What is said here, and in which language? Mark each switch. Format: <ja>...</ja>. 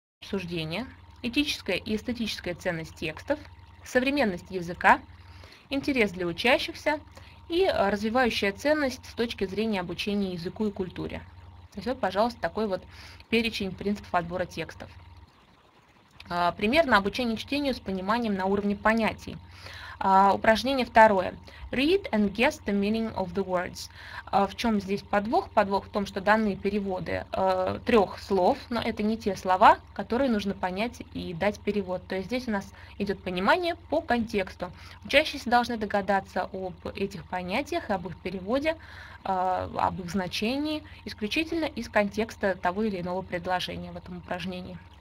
<ru>Суждение, этическая и эстетическая ценность текстов, современность языка, интерес для учащихся и развивающая ценность с точки зрения обучения языку и культуре. То есть вот, пожалуйста, такой вот перечень принципов отбора текстов. Пример на обучение чтению с пониманием на уровне понятий. Упражнение второе.</ru> <en>Read and guess the meaning of the words.</en> <ru>В чем здесь подвох? Подвох в том, что данные переводы трех слов, но это не те слова, которые нужно понять и дать перевод. То есть здесь у нас идет понимание по контексту. Учащиеся должны догадаться об этих понятиях, об их переводе, об их значении, исключительно из контекста того или иного предложения в этом упражнении.</ru>